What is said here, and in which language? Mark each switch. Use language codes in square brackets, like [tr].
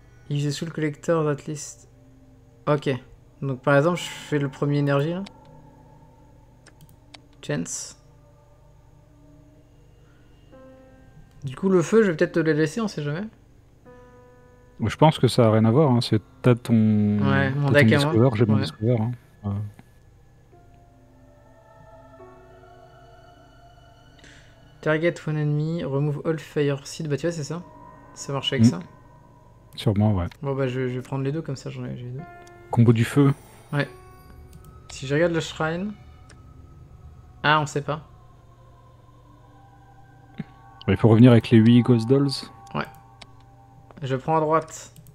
[en] Use the Soul Collector, at least. [fr] Ok. Donc, par exemple, je fais le premier énergie, là. Chance. Du coup, le feu, je vais peut-être te le laisser, on sait jamais. Je pense que ça a rien à voir. Hein. C'est t'as ton. Ouais, mon deck à moi. Discover, j'ai ouais. Mon discover. Hein. Ouais. [en] Target one enemy, remove all fire seed. [fr] Bah, tu vois, c'est ça. Ça marche avec ça. Sûrement, ouais. Bon, bah, je vais prendre les deux comme ça, j'ai deux. Combo du feu. Ouais. Si je regarde le shrine. Ah, on sait pas. Il faut revenir avec les 8 Ghost Dolls. Ouais. Je prends à droite.